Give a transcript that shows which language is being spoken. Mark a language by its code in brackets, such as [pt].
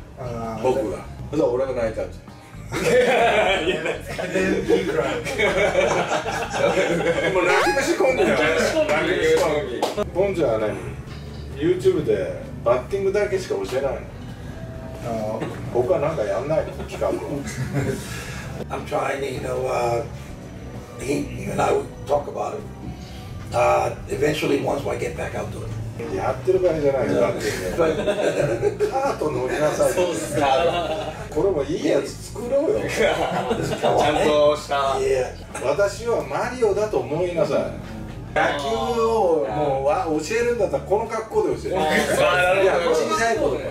[ja] あ、僕が、そしたら俺が泣いたんですよ。もう泣き出し込んでるよ、ね、泣き出し込んで。ポンちゃんはね、 YouTube でバッティングだけしか教えないの。僕は何かやんないの、企画を。 [en] I'm trying to, you know, he and I would talk about it. Eventually, once I get back out to it. [ja] やってる場合じゃないよ、バッティング。カート乗りなさい。そうっすか。これもいいやつ作ろうよ。ちゃんとした。私はマリオだと思いなさい。野球をもう教えるんだったらこの格好で教える。いや、小さい子供。